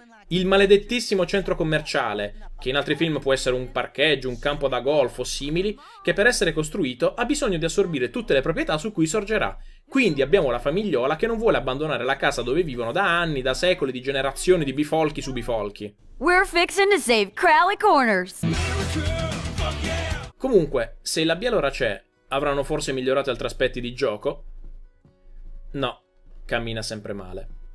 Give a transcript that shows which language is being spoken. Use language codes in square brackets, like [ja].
[it] Il maledettissimo centro commerciale, che in altri film può essere un parcheggio, un campo da golf o simili, che per essere costruito ha bisogno di assorbire tutte le proprietà su cui sorgerà. Quindi abbiamo la famigliola che non vuole abbandonare la casa dove vivono da anni, da secoli, di generazioni di bifolchi su bifolchi. [en] We're fixing to save Crowley Corners. [it] Comunque, se il labiale ora c'è, avranno forse migliorato altri aspetti di gioco? No, cammina sempre male.